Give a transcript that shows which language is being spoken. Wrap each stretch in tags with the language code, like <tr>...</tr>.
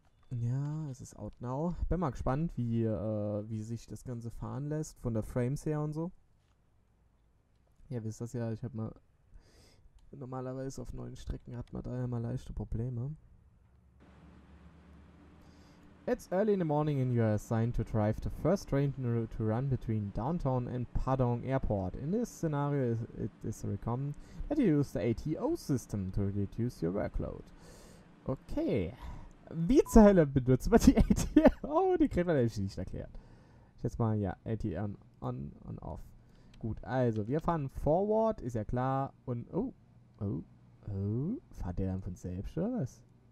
<de>Ja, es ist</de> <en>out now.</en> <de>Bin mal gespannt, wie sich das Ganze fahren lässt, von der Frames her und so. Ja, wisst das ja, ich habe mal... Normalerweise auf neuen Strecken hat man da ja mal leichte Probleme.</de> <en>It's early in the morning and you are assigned to drive the first train to run between downtown and Padong Airport. In this scenario, it is recommended that you use the ATO system to reduce your workload. Okay.</en> <de>Wie zur Hölle benutzt man die ATO? Oh, die kriegt man natürlich nicht erklärt. Ich jetzt mal, ja, ATO on und off. Gut, also, wir fahren forward, ist ja klar, und oh. Oh, oh, fahrt der dann von selbst oder was?</de>